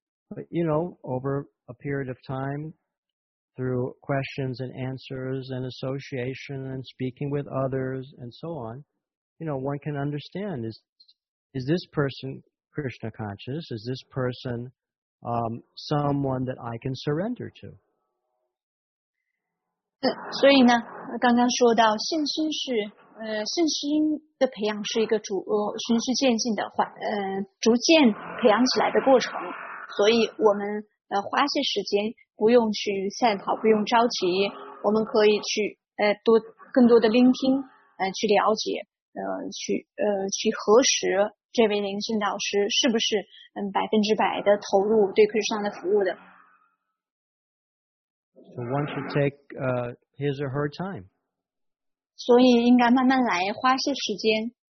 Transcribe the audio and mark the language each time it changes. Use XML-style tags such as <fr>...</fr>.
<en>But, you know, over a period of time, through questions and answers and association and speaking with others and so on, you know, one can understand, is this person Krishna conscious? Is this person someone that I can surrender to?</en> <zh>所以呢，刚刚说到信心是信心的培养是一个循序渐进的逐渐培养起来的过程。所以我们花些时间，不用去赛跑，不用着急，我们可以去多更多的聆听，去了解，去核实这位灵性导师是不是百分之百的投入对克里斯那的服务的。</zh> <en>So one should take his or her time.</en> <zh>所以应该慢慢来，花些时间。</zh>